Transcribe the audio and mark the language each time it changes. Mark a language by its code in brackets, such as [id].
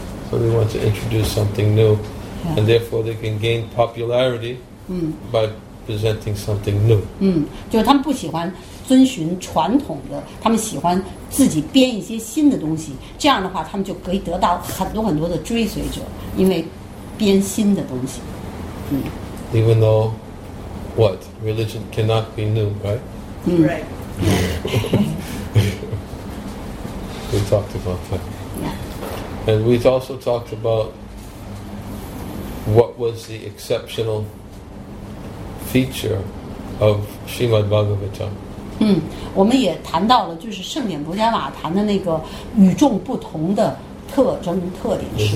[en] So they want to introduce something new. Yeah. And therefore they can gain popularity by presenting something new. [zh] 就他们不喜欢遵循传统的，他们喜欢自己编一些新的东西，这样的话他们就可以得到很多很多的追随者，因为编新的东西。 [en] Even though what? Religion cannot be new, right? Right. We talked about that. Yeah. And we've also talked about what was the exceptional feature of Srimad Bhagavatam. [zh] 我们也谈到了就是圣典卢加瓦坛的那个与众不同的特征特点是。